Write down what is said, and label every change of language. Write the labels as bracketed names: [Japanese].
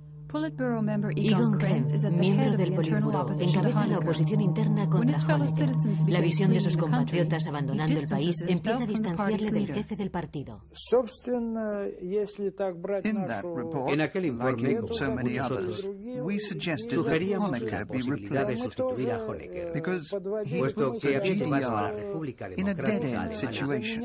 [English] Politburo member Egon Krenz is at the head of the internal opposition. [Spanish] Encabeza la oposición interna contra Honecker. La visión de sus compatriotas abandonando el país empieza a distanciarle del jefe del partido. [English] In that report, like in so many others, we suggested that Honecker be replaced, because he was the GDR in a dead-end situation.